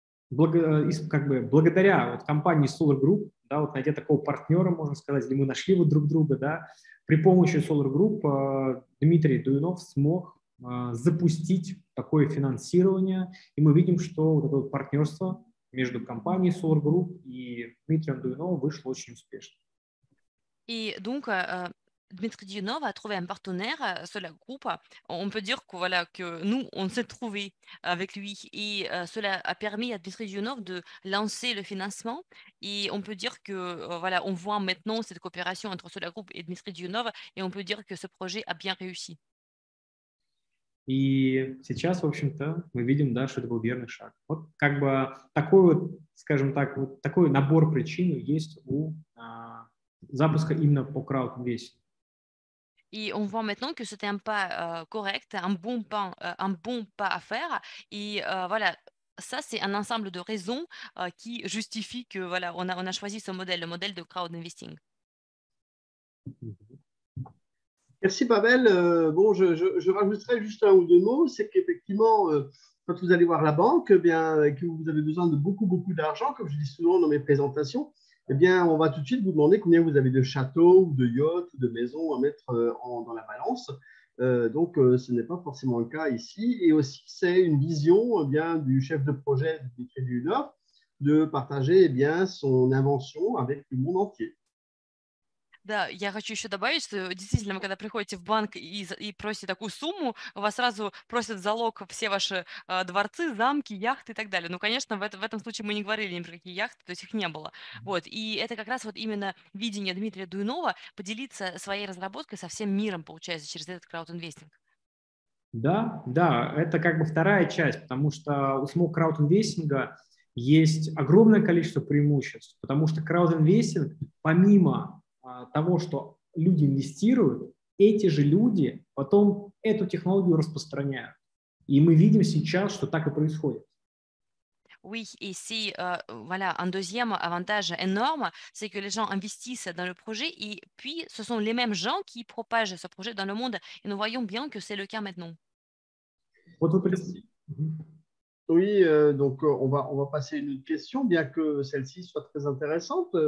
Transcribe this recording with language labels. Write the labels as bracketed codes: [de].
[ru] Благодаря вот компании Solar Group, да, вот найдя такого партнера, можно сказать, или мы нашли вот друг друга, да, при помощи Solar Group Дмитрий Дуйнов смог запустить такое финансирование, и мы видим, что вот это вот партнерство между компанией Solar Group и Дмитрием Дуйновым вышло очень успешно. [fr] Et donc, Dmitry Dionov a trouvé un partenaire sur le groupe. On peut dire que, voilà, que nous, on s'est trouvé avec lui. Et cela a permis à Dmitry Dionov de lancer le financement. Et on peut dire que, voilà, on voit maintenant cette coopération entre ce groupe et Dmitry Dionov. Et on peut dire que ce projet a bien réussi. [ru] И сейчас, в общем-то, мы видим, да, что это был верный шаг. Вот как бы такой вот, скажем так, вот такой набор причин есть у запуска именно по краудинвестингу. И [fr] on voit maintenant que c'était un pas correct, un bon pas à faire. [ru] И [fr] voilà, ça c'est un ensemble de raisons qui justifient que voilà, on a choisi ce modèle, le modèle de краудинвестинг. Merci, Pavel. Bon, je rajouterai juste un ou deux mots. C'est qu'effectivement, quand vous allez voir la banque, eh bien, que vous avez besoin de beaucoup, beaucoup d'argent, comme je dis souvent dans mes présentations, eh bien, on va tout de suite vous demander combien vous avez de châteaux ou de yachts ou de maisons à mettre dans la balance. Donc, ce n'est pas forcément le cas ici. Et aussi, c'est une vision eh bien, du chef de projet du Crédit du Nord de partager eh bien, son invention avec le monde entier. [ru] Да, я хочу еще добавить, что действительно, вы когда приходите в банк и просите такую сумму, вас сразу просят залог все ваши дворцы, замки, яхты и так далее. Ну, конечно, в этом случае мы не говорили ни про какие яхты, то есть их не было. Вот, и это как раз вот именно видение Дмитрия Дуйнова поделиться своей разработкой со всем миром, получается, через этот краудинвестинг. Да, да, это как бы вторая часть, потому что у самого краудинвестинга есть огромное количество преимуществ, потому что краудинвестинг, помимо того, что люди инвестируют, эти же люди потом эту технологию распространяют. И мы видим сейчас, что так и происходит. [fr] Oui, et c'est voilà, un deuxième avantage énorme, c'est que les gens investissent dans le projet et puis ce sont les mêmes gens qui propagent ce projet dans le monde. Et nous voyons bien que c'est le cas maintenant. [ru] Вот вы представляете. [fr] Oui, donc on va passer à une autre question, bien que celle-ci soit très intéressante.